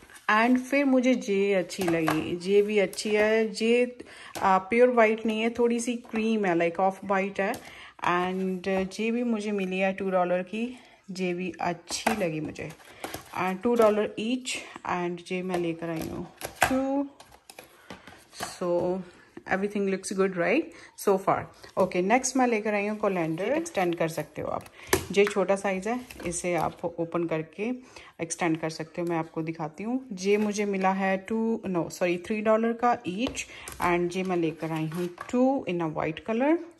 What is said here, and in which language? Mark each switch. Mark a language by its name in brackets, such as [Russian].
[Hindi] And फिर मुझे ये अच्छी लगी, ये भी अच्छी है, ये प्योर वाइट नहीं है, थोड़ी सी क्रीम है, लाइक ऑफ वाइट है एंड ये भी मुझे मिली है $2 की, ये भी अच्छी लगी मुझे एंड $2 ईच एंड ये मैं लेकर आई हूँ। [English] So everything looks good, right? So far. [Hindi] Okay, next मैं लेकर आई हूँ कोलेंडर, एक्सटेंड कर सकते हो आप, ये छोटा साइज है, इसे आप ओपन करके एक्सटेंड कर सकते हो, मैं आपको दिखाती हूँ। ये मुझे मिला है $3 का ईच एंड ये मैं लेकर आई हूँ 2 इन अ वाइट कलर।